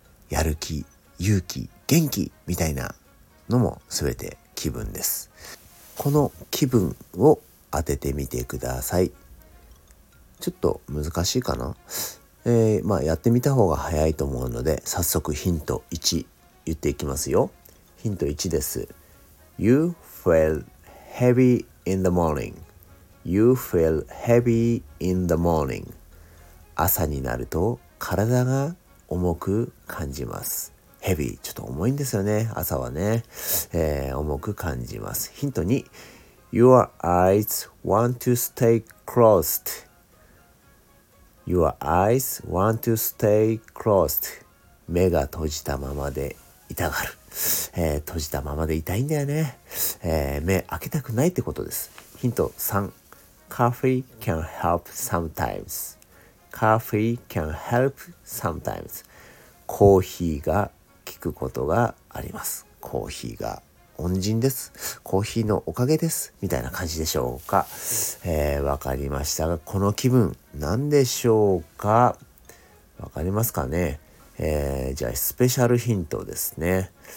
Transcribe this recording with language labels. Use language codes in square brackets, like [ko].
[ja] やる気、勇気、元気みたいなのも全て気分です。この気分を当ててみてください。ちょっと難しいかな。まあやってみた方が早いと思うので、早速ヒント1言っていきますよ。ヒント1です。 [en] You feel heavy in the morning. You feel heavy in the morning. [ja] 朝になると体が重く感じます。 Heavy、 ちょっと重いんですよね、朝はね。重く感じます。ヒント2、 [en] Your eyes want to stay closedYour eyes want to stay closed. [ja] 目が閉じたままで痛がる。閉じたままで痛いんだよね。目開けたくないってことです。ヒント3。 [en] Coffee can help sometimes. Coffee can help sometimes. [ja] コーヒーが効くことがあります。コーヒーが恩人です。コーヒーのおかげです。みたいな感じでしょうか。わかりましたが、この気分、何でしょうか。わかりますかね。じゃあ、スペシャルヒントですね。